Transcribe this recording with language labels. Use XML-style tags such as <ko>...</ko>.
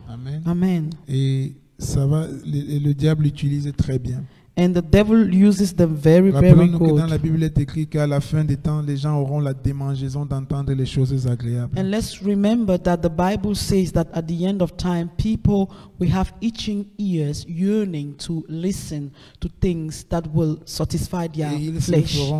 <en>Amen. Amen.</en> <fr>Et ça va, le diable l'utilise très bien.</fr> <en>And the devil uses them very, very good.</en> <fr>Rappelons-nous que dans la Bible est écrit qu'à la fin des temps, les gens auront la démangeaison d'entendre les choses agréables.</fr> <en>And let's remember that the Bible says that at the end of time, people will have itching ears, yearning to listen to things that will satisfy their flesh.</en>